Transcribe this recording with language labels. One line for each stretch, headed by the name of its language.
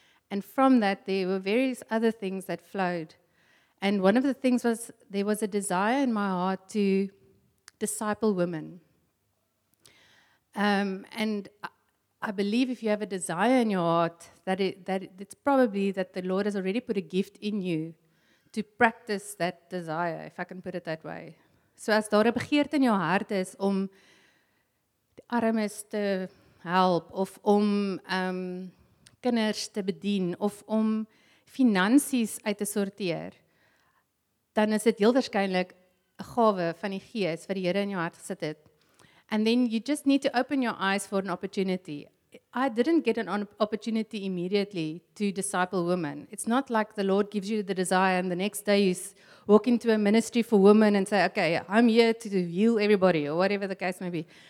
English: And from that, there were various other things that flowed. And one of the things was there was a desire in my heart to disciple women. And I believe if you have a desire in your heart, it's probably that the Lord has already put a gift in you to practice that desire, if I can put it that way.
Afrikaans: So as daar 'n begeerte in jou hart is om die armes te help, of om kinders te bedien, of om finansies uit te sorteer, dan is dit heel waarskynlik 'n gawe van die Gees wat die Here in jou hart gesit het.
English: And then you just need to open your eyes for an opportunity. I didn't get an opportunity immediately to disciple women. It's not like the Lord gives you the desire and the next day you walk into a ministry for women and say, okay, I'm here to heal everybody or whatever the case may be.